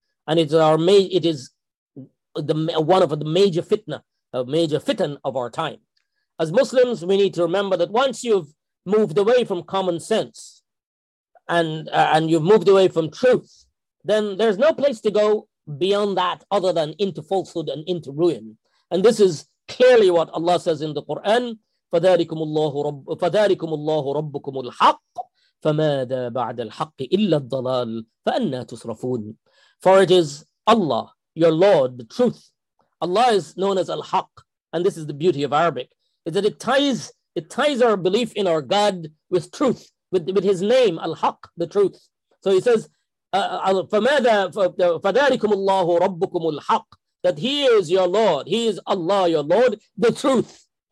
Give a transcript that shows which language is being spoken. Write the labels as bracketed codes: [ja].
[en] And it is one of the major fitna of our time. As Muslims, we need to remember that once you've moved away from common sense and you've moved away from truth, then there's no place to go beyond that other than into falsehood and into ruin. And this is clearly what Allah says in the Quran, [ar] فَذَٰلِكُمُ اللَّهُ رَبُّكُمُ الْحَقِّ فَمَاذَا بَعْدَ الْحَقِّ إِلَّا الضَّلَالِ فَأَنَّا تُصْرَفُونَ. [en] For it is Allah, your Lord, the truth. Allah is known as Al-Haqq, and this is the beauty of Arabic, is that it ties our belief in our God with truth, with his name, Al-Haqq, the truth. So he says, [ar] فَذَٰلِكُمُ اللَّهُ رَبُّكُمُ الْحَقِّ, [en] that he is your Lord, he is Allah, your Lord, the truth.